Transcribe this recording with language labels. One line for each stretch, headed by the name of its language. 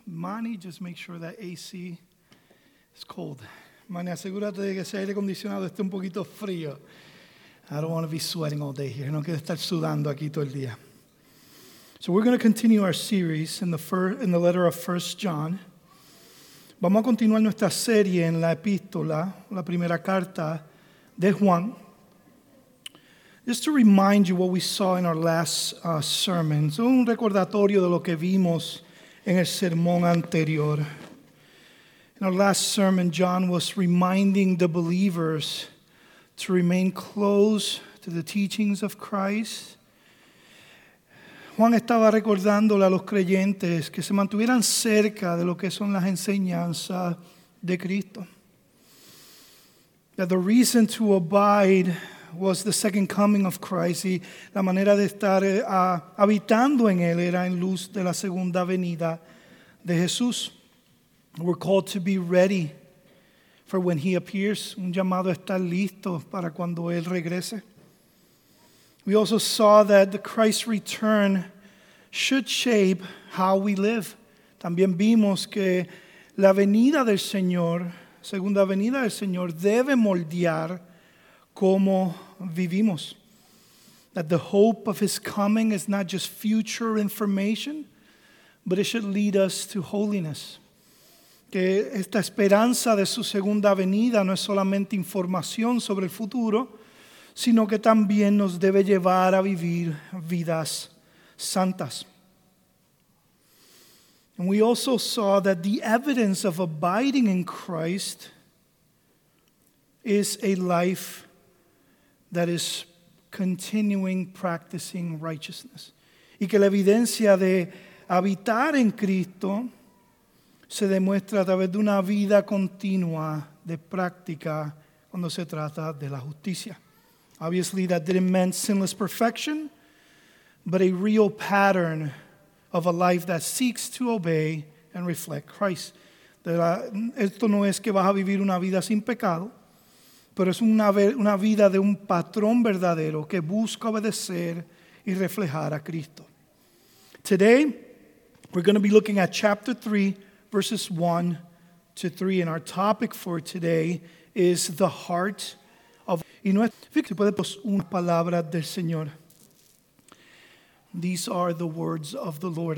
English: Manny, just make sure that AC is cold.
Spanish: Manny, asegúrate de que ese aire acondicionado esté un poquito frío.
English: I don't want to be sweating all day here.
Spanish: No quiero estar sudando aquí todo el día.
English: So we're going to continue our series in the letter of 1 John.
Spanish: Vamos a continuar nuestra serie en la epístola, la primera carta de Juan.
English: Just to remind you what we saw in our last sermon.
Spanish: So un recordatorio de lo que vimos en el sermón anterior.
English: In our last sermon, John was reminding the believers to remain close to the teachings of Christ.
Spanish: Juan estaba recordándole a los creyentes que se mantuvieran cerca de lo que son las enseñanzas de Cristo.
English: That the reason to abide was the second coming of Christ.
Spanish: Y la manera de estar habitando en él era en luz de la segunda venida de Jesús.
English: We're called to be ready for when he appears.
Spanish: Un llamado a estar listo para cuando él regrese.
English: We also saw that the Christ's return should shape how we live.
Spanish: También vimos que la venida del Señor, segunda venida del Señor, debe moldear cómo vivimos.
English: That the hope of his coming is not just future information, but it should lead us to holiness.
Spanish: Que esta esperanza de su segunda venida no es solamente información sobre el futuro, sino que también nos debe llevar a vivir vidas santas.
English: And we also saw that the evidence of abiding in Christ is a life that is continuing practicing righteousness.
Spanish: Y que la evidencia de habitar en Cristo se demuestra a través de una vida continua de práctica cuando se trata de la justicia.
English: Obviously, that didn't mean sinless perfection, but a real pattern of a life that seeks to obey and reflect Christ.
Spanish: Esto no es que vas a vivir una vida sin pecado, pero es una vida de un patrón verdadero que busca obedecer y reflejar a Cristo.
English: Today, we're going to be looking at chapter 3, verses 1 to 3, and our topic for today is the heart of...
Spanish: Y no es... Fíjate, puede poner una palabra del Señor.
English: These are the words of the Lord.